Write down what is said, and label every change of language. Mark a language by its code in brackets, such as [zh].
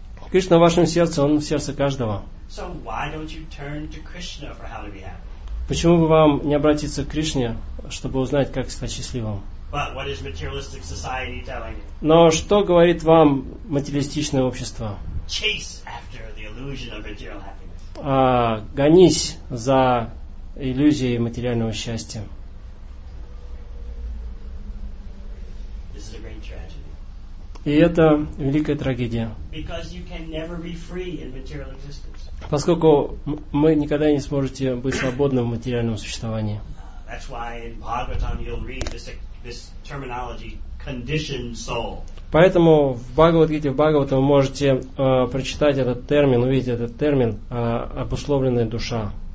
[ru] Кришна в вашем сердце, он в сердце каждого. [en] So why don't you turn to Krishna for how to be happy? [ru] Почему бы вам не обратиться к Кришне, чтобы узнать, как стать счастливым? [en] But what is materialistic society telling you? [ru] Но что говорит вам материалистичное общество? [en] Chase after the illusion of material happiness. [ru] Гонись за иллюзией материального счастья. [en] This is a great tragedy. [ru] И это великая трагедия. [en] Because you can never be free in material existence. [ru] Поскольку вы никогда не сможете быть свободным в материальном существовании. [en] That's why in Bhagavatam you'll read this terminology, conditioned soul. [ru] Поэтому в Бхагавад-гите, в Бхагавате вы можете прочитать этот термин, увидеть этот термин «обусловленная душа».